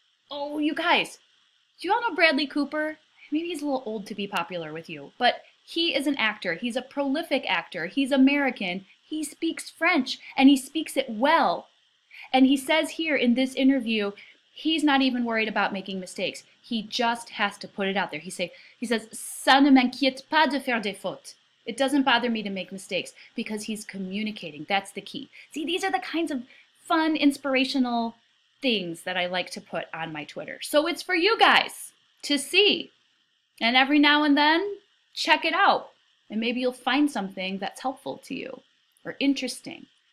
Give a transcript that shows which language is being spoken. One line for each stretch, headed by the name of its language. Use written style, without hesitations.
English: Oh, you guys, do you all know Bradley Cooper? Maybe he's a little old to be popular with you, but he is an actor. He's a prolific actor. He's American. He speaks French and he speaks it well. And he says here in this interview, he's not even worried about making mistakes. He just has to put it out there. He says,
French: "Ça ne m'inquiète pas de faire des fautes."
English: It doesn't bother me to make mistakes because he's communicating. That's the key. See, these are the kinds of fun, inspirational things that I like to put on my Twitter. So it's for you guys to see. And every now and then, check it out. And maybe you'll find something that's helpful to you or interesting.